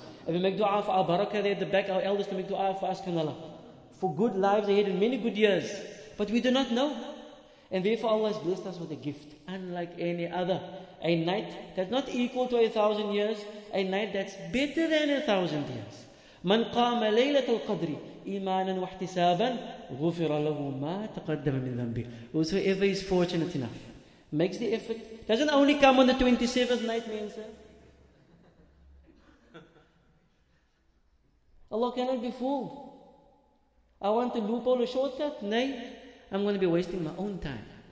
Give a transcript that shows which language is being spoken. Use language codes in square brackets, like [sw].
[en] And we make dua for our barakah there at the back, our elders to make dua for us, can Allah, for good lives ahead and many good years. But we do not know. And therefore Allah has blessed us with a gift unlike any other. A night that's not equal to 1,000 years. A night that's better than 1,000 years. [ar] من قام ليلة القدر إيمانا واحتسابا غفر له ما تقدم من ذنبه. [en] Whosoever is fortunate enough, makes the effort, doesn't only come on the 27th night, means Allah cannot be fooled. I want a loophole, a shortcut? Nay, I'm going to be wasting my own time.